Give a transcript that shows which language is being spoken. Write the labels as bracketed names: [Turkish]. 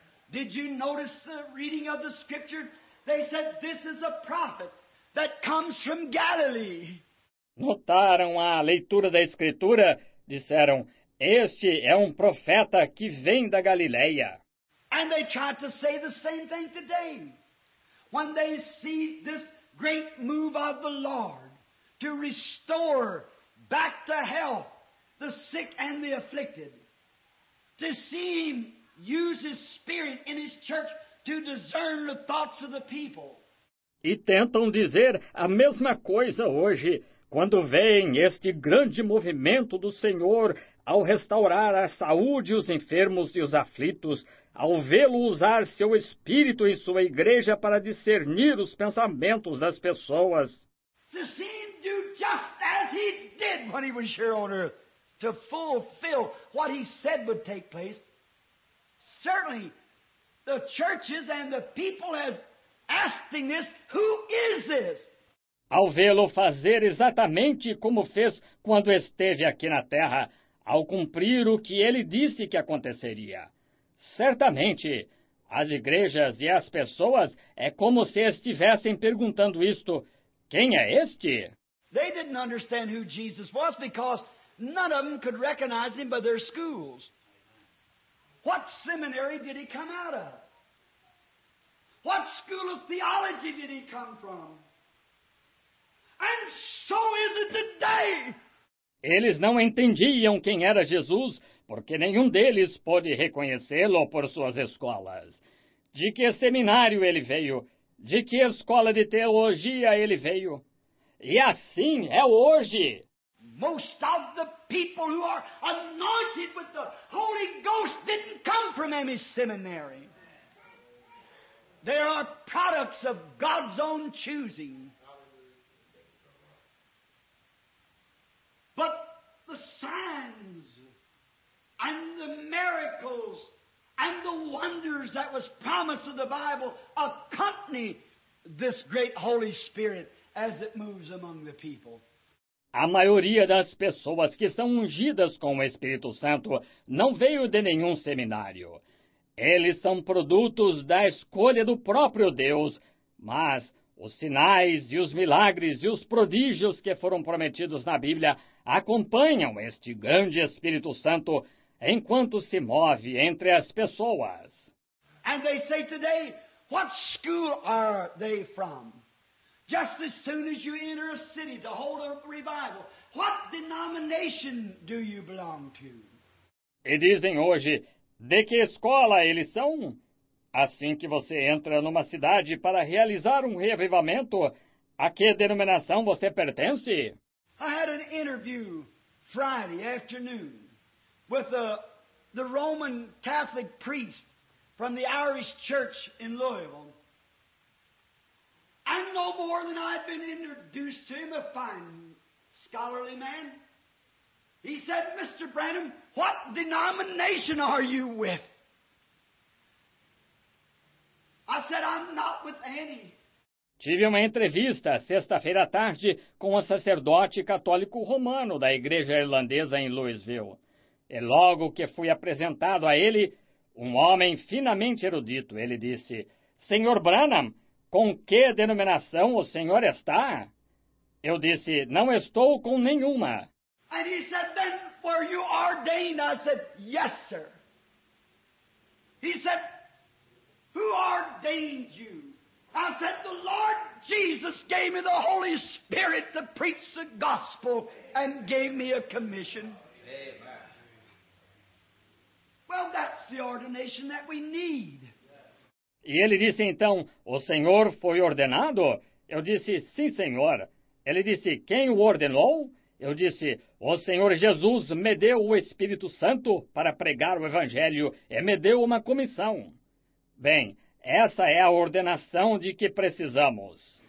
[English] Did you notice the reading of the scripture? They said this is a prophet that comes from Galilee. [Portuguese] Notaram a leitura da escritura? Disseram, este é um profeta que vem da Galileia. [English] And they try to say the same thing today. When they see this great move of the Lord to restore back to health the sick and the afflicted, to see him use his spirit in his church to discern the thoughts of the people. [Portuguese] E tentam dizer a mesma coisa hoje, quando vem este grande movimento do Senhor ao restaurar a saúde os enfermos e os aflitos, ao vê-lo usar seu espírito e sua igreja para discernir os pensamentos das pessoas. [English] To see him do just as he did when he was here on earth, to fulfill what he said would take place. Certainly, the churches and the people has asking this, who is this? [Portuguese] Ao vê-lo fazer exatamente como fez quando esteve aqui na terra, ao cumprir o que ele disse que aconteceria. Certamente, as igrejas e as pessoas é como se estivessem perguntando isto, quem é este? [English] They didn't understand who Jesus was because none of them could recognize him by their schools. What seminary did he come out of? What school of theology did he come from? And so is it today. [Portuguese] Eles não entendiam quem era Jesus, porque nenhum deles pôde reconhecê-lo por suas escolas. De que seminário ele veio? De que escola de teologia ele veio? E assim é hoje. [English] Most of the people who are anointed with the Holy Ghost didn't come from any seminary. They are products of God's own choosing. But the signs and the miracles and the wonders that was promised of the Bible accompany this great Holy Spirit as it moves among the people. [Portuguese] A maioria das pessoas que são ungidas com o Espírito Santo não veio de nenhum seminário. Eles são produtos da escolha do próprio Deus, mas os sinais e os milagres e os prodígios que foram prometidos na Bíblia acompanham este grande Espírito Santo enquanto se move entre as pessoas. [English] And they say today, what school are they from? Just as soon as you enter a city to hold a revival, what denomination do you belong to? [Portuguese] E dizem hoje, de que escola eles são? Assim que você entra numa cidade para realizar um reavivamento, a que denominação você pertence? [English] I had an interview Friday afternoon with the Roman Catholic priest from the Irish Church in Louisville. I'm no more than I've been introduced to him, a fine scholarly man. He said, Mr. Branham, what denomination are you with? I said, I'm not with any. [Portuguese] Tive uma entrevista sexta-feira à tarde com um sacerdote católico romano da igreja irlandesa em Louisville. E logo que fui apresentado a ele, um homem finamente erudito, ele disse, Senhor Branham, com que denominação o senhor está? Eu disse, não estou com nenhuma. [English] And he said, then were you ordained? I said, yes, sir. He said, who ordained you? I said, the Lord Jesus gave me the Holy Spirit to preach the gospel and gave me a commission. Amen. Well, that's the ordination that we need. [Portuguese] E ele disse então, o senhor foi ordenado? Eu disse, sim, senhor. Ele disse, quem o ordenou? Eu disse, o Senhor Jesus me deu o Espírito Santo para pregar o Evangelho e me deu uma comissão. Bem, essa é a ordenação de que precisamos.